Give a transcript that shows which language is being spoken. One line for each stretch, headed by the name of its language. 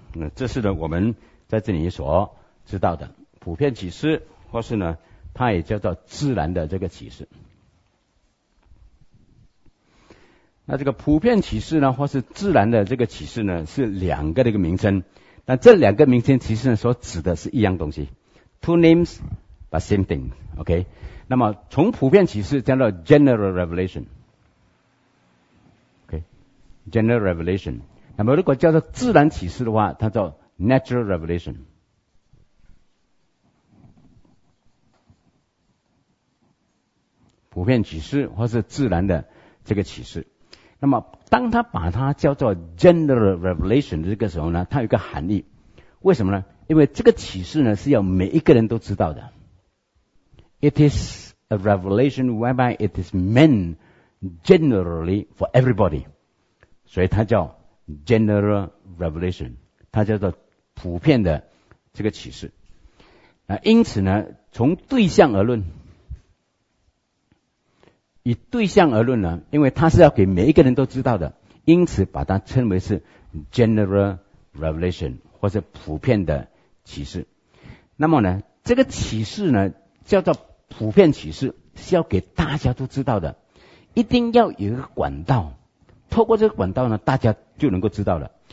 Chinese: 那这是呢我们在这里所知道的普遍启示，或是呢它也叫做自然的这个启示。那这个普遍启示呢，或是自然的这个启示呢，是两个的一个名称。那这两个名称其实呢所指的是一样东西，
English: two names but same thing，
Chinese: OK。那么从普遍启示讲到 general revelation， OK， general revelation。那么如果叫做自然启示的话，它叫 natural revelation。普遍启示或是自然的这个启示，那么当他把它叫做 general revelation 的这个时候呢，它有一个含义。为什么呢？因为这个启示呢是要每一个人都知道的。
English: It is a revelation whereby it is meant generally for everybody，
Chinese: 所以它叫 general revelation， 它叫做普遍的这个启示。那因此呢，从对象而论，以对象而论呢，因为它是要给每一个人都知道的，因此把它称为是 general revelation 或是普遍的启示。那么呢，这个启示呢叫做普遍启示，是要给大家都知道的，一定要有一个管道，透过这个管道呢大家就能够知道了。